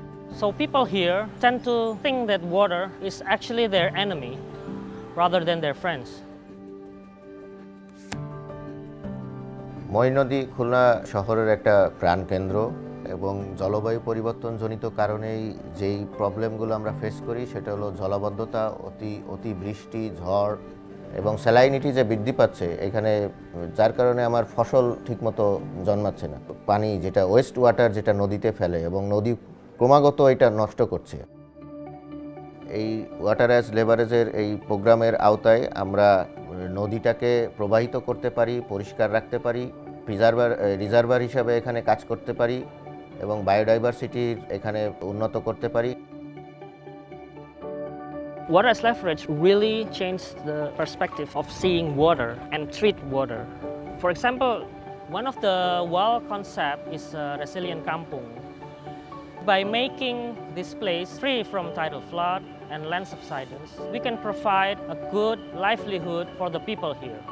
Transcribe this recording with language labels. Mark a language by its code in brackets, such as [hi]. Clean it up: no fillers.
[en] So people here tend to think that water is actually their enemy rather than their friends. [bn] মই নদী খুলনা শহরের একটা প্রাণকেন্দ্র এবং জলবায়ু পরিবর্তনজনিত কারণেই যেই প্রবলেমগুলো আমরা ফেস করি সেটা হলো জলাবদ্ধতা অতি বৃষ্টি ঝড় এবং স্যালাইনিটি যে বৃদ্ধি পাচ্ছে এখানে যার কারণে আমার ফসল ঠিকমতো জন্মাচ্ছে না পানি যেটা ওয়েস্ট ওয়াটার যেটা নদীতে ফেলে এবং নদী ক্রমাগত এটা নষ্ট করছে এই ওয়াটার অ্যাজ লেভারেজের এই প্রোগ্রামের আওতায় আমরা নদীটাকে প্রবাহিত করতে পারি পরিষ্কার রাখতে পারি রিজার্ভার হিসাবে এখানে কাজ করতে পারি এবং বায়োডাইভার্সিটি এখানে উন্নত করতে পারি [en] Water as leverage really changed the perspective of seeing water and treat water. For example, one of the wild concepts is a resilient kampung. By making this place free from tidal flood and land subsidence, we can provide a good livelihood for the people here.